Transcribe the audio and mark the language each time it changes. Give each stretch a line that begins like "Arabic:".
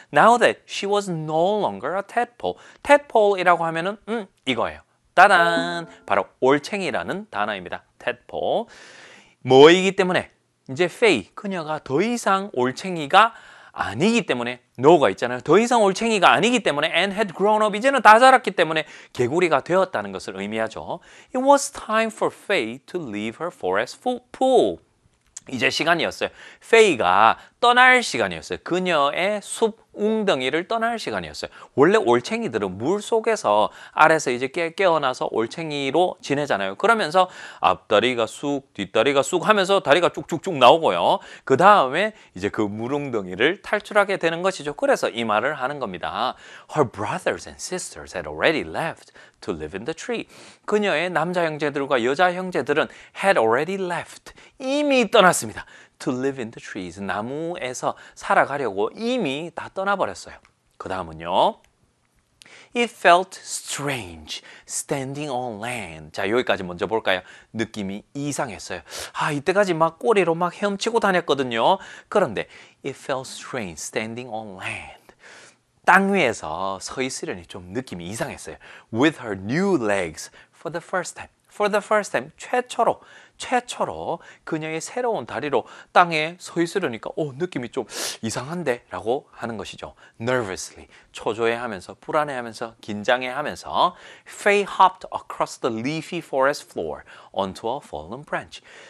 English: Now that she was no longer a tadpole.
Korean: Tadpole이라고 하면은 이거예요. 따단! 바로 올챙이라는 단어입니다.
English: Tadpole.
Korean: 뭐이기 때문에 이제 Faye, 그녀가 더 이상 올챙이가 아니기 때문에 no가 있잖아요. 더 이상 올챙이가 아니기 때문에
English: and had grown up.
Korean: 이제는 다 자랐기 때문에 개구리가 되었다는 것을 의미하죠.
English: It was time for Faye to leave her forest pool.
Korean: 이제 시간이었어요. 페이가 떠날 시간이었어요. 그녀의 숲 웅덩이를 떠날 시간이었어요. 원래 올챙이들은 물 속에서 알에서 이제 깨어나서 올챙이로 지내잖아요. 그러면서 앞다리가 쑥, 뒷다리가 쑥 하면서 다리가 쭉쭉쭉 나오고요. 그 다음에 이제 그 물 웅덩이를 탈출하게 되는 것이죠. 그래서 이 말을 하는 겁니다.
English: Her brothers and sisters had already left to live in the tree.
Korean: 그녀의 남자 형제들과 여자 형제들은
English: had already left.
Korean: 이미 떠났습니다.
English: To live in the trees,
Korean: 나무에서 살아가려고 이미 다 떠나버렸어요. 그 다음은요.
English: It felt strange standing on land.
Korean: 자, 여기까지 먼저 볼까요? 느낌이 이상했어요. 아, 이때까지 막 꼬리로 막 헤엄치고 다녔거든요. 그런데
English: it felt strange standing on land.
Korean: 땅 위에서 서 있으려니 좀 느낌이 이상했어요.
English: With her new legs for the first time. For the first time,
Korean: 최초로. 최초로 그녀의 새로운 다리로 땅에 서 있으려니까 오, 느낌이 좀 이상한데? 라고 하는 것이죠.
English: Nervously,
Korean: 초조해하면서, 불안해하면서, 긴장해하면서
English: Faye hopped across the leafy forest floor onto a fallen branch.